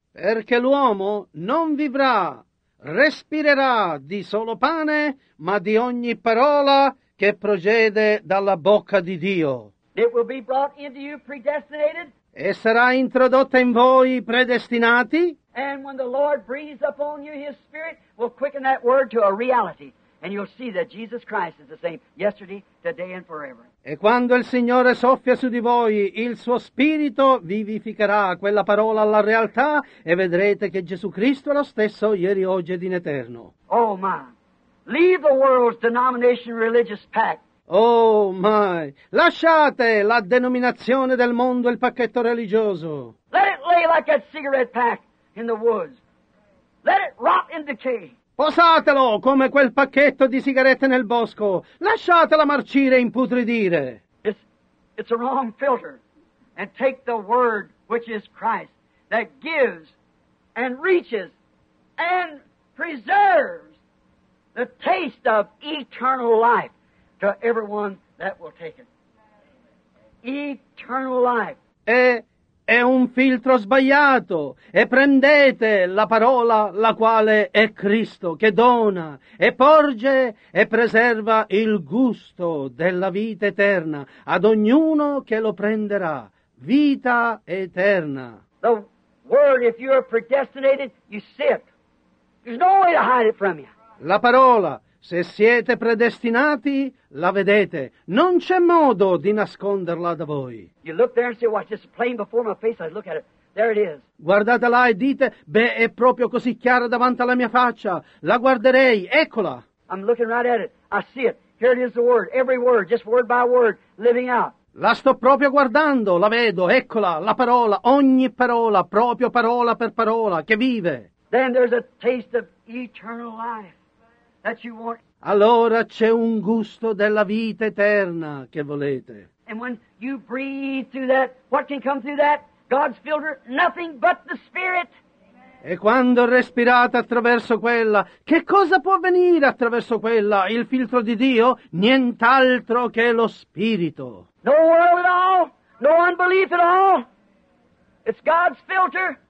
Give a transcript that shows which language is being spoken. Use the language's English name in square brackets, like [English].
[Italian] Perché l'uomo non vivrà, respirerà di solo pane, ma di ogni parola che procede dalla bocca di Dio. [English] It will be brought into you predestinated. [Italian] E sarà introdotta in voi predestinati. [English] And when the Lord breathes upon you His Spirit, will quicken that word to a reality. And you'll see that Jesus Christ is the same yesterday, today and forever. [Italian] E quando il Signore soffia su di voi, il suo Spirito vivificherà quella parola alla realtà e vedrete che Gesù Cristo è lo stesso ieri, oggi ed in eterno. [English] Oh my! Leave the world's denomination religious pact. Oh my! [Italian] Lasciate la denominazione del mondo e il pacchetto religioso. [English] Let it lay like a cigarette pack in the woods. Let it rot in decay. [Italian] Posatelo come quel pacchetto di sigarette nel bosco. Lasciatela marcire e imputridire. [English] It's a wrong filter. And take the word which is Christ that gives and reaches and preserves the taste of eternal life to everyone that will take it. Eternal life. [Italian] È un filtro sbagliato e prendete la parola la quale è Cristo che dona e porge e preserva il gusto della vita eterna ad ognuno che lo prenderà, vita eterna. [English] The word, if you are predestinated, you sip. There's no way to hide it from you. [Italian] La parola, se siete predestinati, la vedete. Non c'è modo di nasconderla da voi. [English] You look there and say, well, it's just plain before my face. I look at it. There it is. [Italian] Guardate là e dite, beh, è proprio così chiara davanti alla mia faccia. La guarderei. Eccola. [English] I'm looking right at it. I see it. Here it is, the word. Every word, just word by word, living out. [Italian] La sto proprio guardando. La vedo. Eccola, la parola. Ogni parola, proprio parola per parola, che vive. [English] Then there's a taste of eternal life. That you want. [Italian] Allora c'è un gusto della vita eterna che volete. [English] And when you breathe through that, what can come through that? God's filter, nothing but the Spirit. [Italian] E quando respirate attraverso quella, che cosa può venire attraverso quella? Il filtro di Dio? Nient'altro che lo Spirito. [English] No world at all, no unbelief at all. It's God's filter.